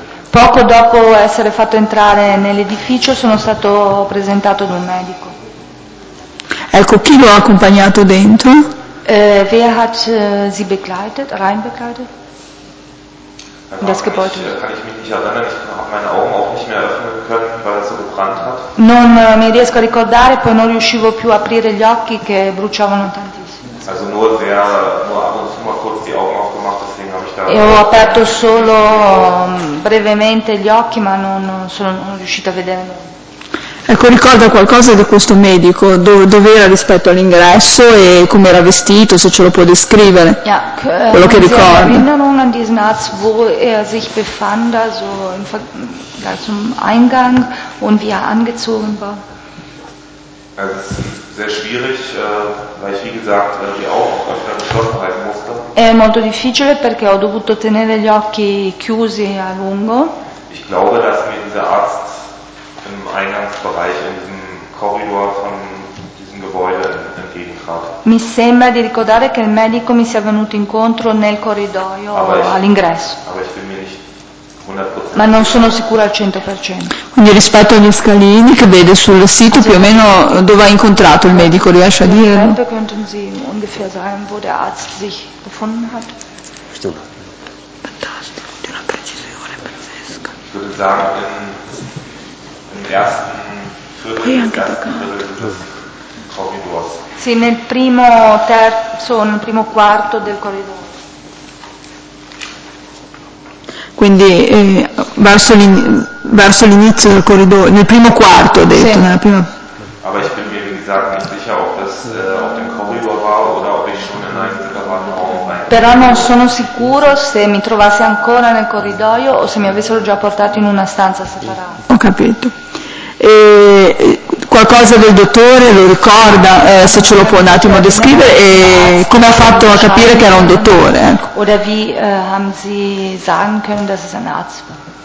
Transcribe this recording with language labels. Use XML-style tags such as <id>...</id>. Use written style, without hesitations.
<it>Poco dopo essere fatto entrare nell'edificio sono stato presentato ad un medico. Ecco, chi lo ha accompagnato dentro?</it> <de>Wer hat sie begleitet, rein begleitet? Das Gebäude. Kann ich mich nicht erinnern, ich habe meine Augen auch nicht mehr öffnen können, weil es so gebrannt hat.</de> <it>Non mi riesco a ricordare, poi non riuscivo più a aprire gli occhi che bruciavano tantissimo.</it> <de>Also nur ab und zu mal kurz die Augen aufgemacht, deswegen habe ich da.</de> <it>E ho aperto solo brevemente gli occhi, ma non sono riuscita a vederlo. Ecco, ricorda qualcosa di questo medico, dove era rispetto all'ingresso e come era vestito, se ce lo può descrivere,</it> <de>ja,</de> <it>quello che ricorda.</it> <de>Sie erinnerung an diesen Arzt, wo er sich befand, also im Vergleich zum Eingang und wie er angezogen war. Es ist sehr schwierig, weil ich wie gesagt die Augen öfter geschlossen halten musste.</de> <it>È molto difficile perché ho dovuto tenere gli occhi chiusi a lungo.</it> <de>Ich glaube, dass mir dieser Arzt im Eingangsbereich, in diesem Korridor von diesem Gebäude entgegentrat.</de> <it>Mi sembra di ricordare che il medico mi sia venuto incontro nel corridoio all'ingresso.</it> <de>Aber ich bin mir nicht 100%.</de> <it>Ma non sono sicura al 100%. Quindi rispetto agli scalini che vede sul sito, più o meno dove ha incontrato il medico, riesce a dire?</it> <de>Könnte könnten Sie ungefähr sagen, wo der Arzt sich befunden hat?</de> <it>Fantastico, di una precisione pazzesca.</it> <de>Ich würde sagen, Im ersten Viertel des Korridors.</de> <it>Sì, nel primo terzo, nel primo quarto del corridoio. Quindi verso l'inizio del corridoio, nel primo quarto, ho detto. Sì. Nella prima.</it> <de>Aber ich bin mir wie gesagt nicht sicher, ob das auf dem Korridor war oder ob ich schon in einem separaten Raum war.</de> <it>Però non sono sicuro se mi trovassi ancora nel corridoio o se mi avessero già portato in una stanza separata. Ho capito. E qualcosa del dottore lo ricorda, se ce lo può un attimo descrivere, e come ha fatto a capire che era un dottore?</it> <de>Oder wie haben Sie sagen können, dass es ein Arzt war?</de>